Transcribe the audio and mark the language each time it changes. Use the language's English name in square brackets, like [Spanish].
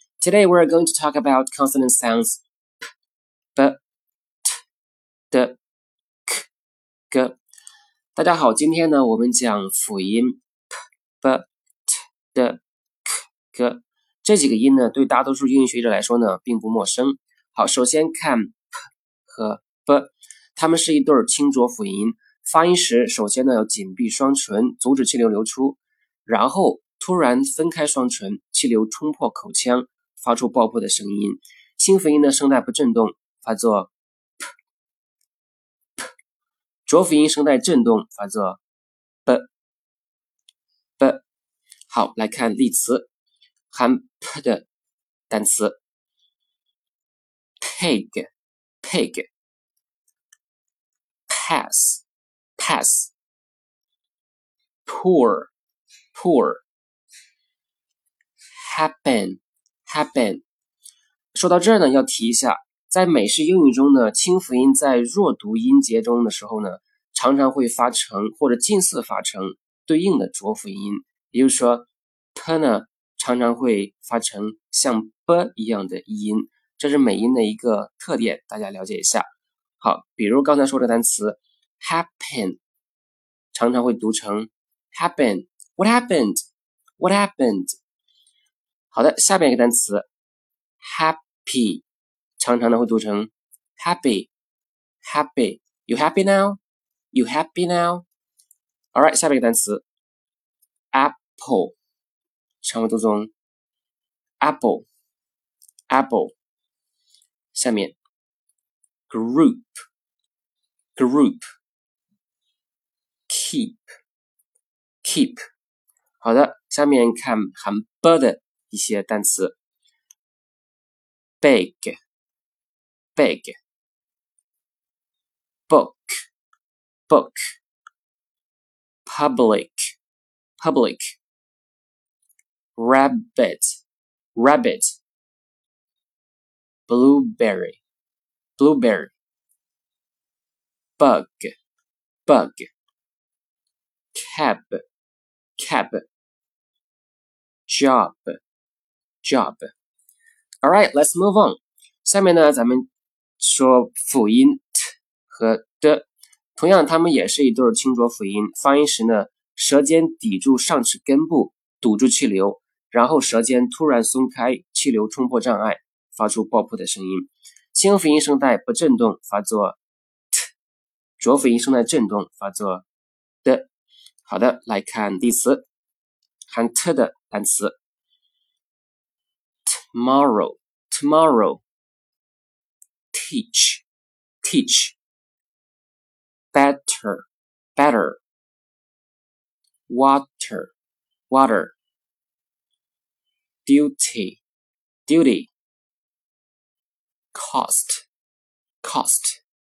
[English] Today we're going to talk about consonant sounds p, b, t, d, k, g. [Chinese] 大家好，今天呢我们讲辅音 p, b, t, d, k, g 这几个音呢，对大多数英语学者来说呢并不陌生。好，首先看 p 和 b， 它们是一对清浊辅音，发音时首先呢要紧闭双唇，阻止气流流出，然后突然分开双唇，气流冲破口腔，发出爆破的声音。清辅音的声带不振动，发作 p p， 浊辅音声带振动，发作 b b。好，来看例词，含 p 的单词 [English] pig pig， pass pass， poor poorHappen, happen。 [Chinese] 说到这儿呢，要提一下，在美式英语中呢，清辅音在弱读音节中的时候呢，常常会发成或者近似发成对应的浊辅音，也就是说 p 呢常常会发成像 b 一样的音，这是美音的一个特点，大家了解一下。好，比如刚才说的单词 happen， 常常会读成 happen， what happened， what happened。好的，下面一个单词 happy， 常常的会读成 happy happy， [English] you happy now， you happy now。 [Chinese] alright， 下面一个单词 apple， 常会读成 apple apple。 [English] 下面 group group， keep keep。 [Chinese] 好的，下面看含 b 的一些单词 big big， [English] book book， public public， rabbit rabbit， blueberry blueberry， bug bug， cab cab， job job。 Alright, let's move on。 [Chinese] 下面呢咱们说辅音 t 和 d， 同样它们也是一对清浊辅音，发音时呢舌尖抵住上齿根部堵住气流，然后舌尖突然松开，气流冲破障碍，发出爆破的声音。清辅音声带不振动，发作 t， 浊辅音声带振动，发作 d。好的，来看例词，含 t 的单词 [English] tomorrow tomorrow， teach teach， better better， water water， duty duty， cost cost。